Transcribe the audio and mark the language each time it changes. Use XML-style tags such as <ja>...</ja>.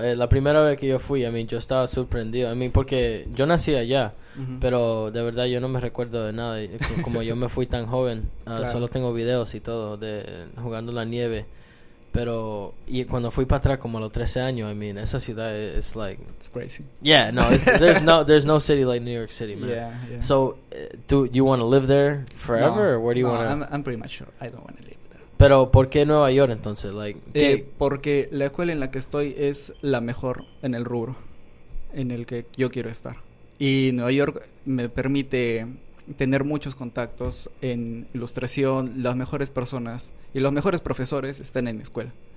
<es>La primera vez que yo fui, a mí, yo estaba sorprendido. A mí, porque yo nací allá, uh-huh, pero de verdad yo no me recuerdo de nada. Como yo me fui tan joven, claro, solo tengo videos y todo de jugando la nieve. Pero, y cuando fui para atrás como a los 13 años, I mean, esa ciudad es like...</es> <en>It's crazy. Yeah, no, there's no city like New York City, man. Yeah, yeah. So, do you want to live there forever? No, or where do you want to... I'm pretty much sure I don't want to live there.</en> <es>Pero, ¿por qué Nueva York entonces? Like, porque la escuela en la que estoy es la mejor en el rubro en el que yo quiero estar. Y Nueva York me permite tener muchos contactos en ilustración, las mejores personas y los mejores profesores están en mi escuela.</es>